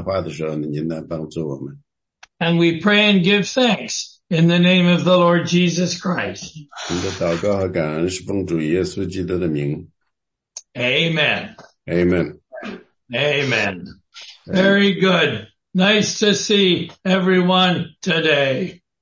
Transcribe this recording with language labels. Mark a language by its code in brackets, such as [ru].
[zh] 所以呢,我们现在祷告,当我们转向奇妙的神的话的时候,您来帮助我们。 [en] And we pray and give thanks in the name of the Lord Jesus Christ. [zh] 您的祷告和感恩是奉主耶稣基督的名。Amen. [en] Amen. Amen. Very good. Nice to see everyone today.